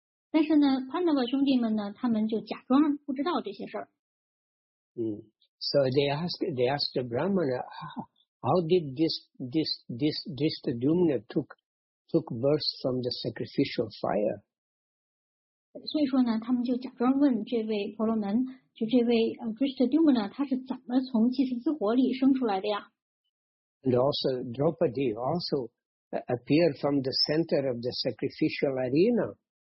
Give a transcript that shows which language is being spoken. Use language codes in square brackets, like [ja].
[zh] 但是呢 ，Pandava 兄弟们呢，他们就假装不知道这些事儿。 [en] So they asked the Brahmana, how did this Drishtadyumna took birth from the sacrificial fire? [zh] 所以说呢，他们就假装问这位婆罗门。就这位Drishtadyumna 他是怎么从祭祀之火里生出来的呀 [en] ？And also Draupadi also appeared from the center of the sacrificial arena.